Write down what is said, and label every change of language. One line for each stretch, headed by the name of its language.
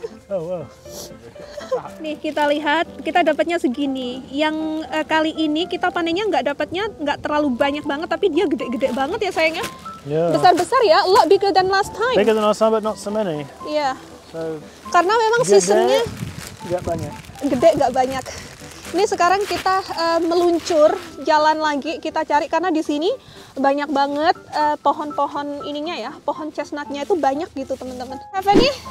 English: Oh, wow.
Indonesian: Nih kita lihat, kita dapatnya segini. Yang kali ini kita panennya enggak dapatnya enggak terlalu banyak banget, tapi dia gede-gede banget ya sayangnya.
English: Yeah.
Indonesian: Besar-besar ya,
English: a lot bigger than last time. Bigger than last time, but not so many.
Indonesian: Iya.
English: Yeah.
Indonesian: So, karena memang seasonnya enggak banyak. Gede enggak banyak. Ini sekarang kita meluncur jalan lagi, kita cari karena di sini banyak banget pohon-pohon ininya ya, pohon chestnutnya itu banyak gitu teman-teman. Apa nih?